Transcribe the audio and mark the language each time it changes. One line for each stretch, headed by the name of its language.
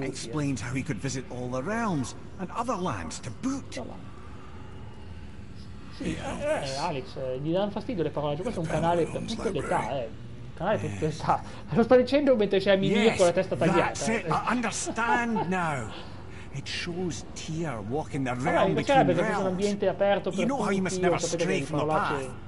English: That explains how he could visit all the realms and other lands to boot.
Italian: Sì, Alex, gli danno fastidio le parole. Questo è un canale per tutte le età, Un canale per tutte le età. Lo sta dicendo mentre c'è Mimir con la testa tagliata.
English: Yes, that's it. I understand now. It shows Tyr walking the realm between realms. You know how you must never stray from the path.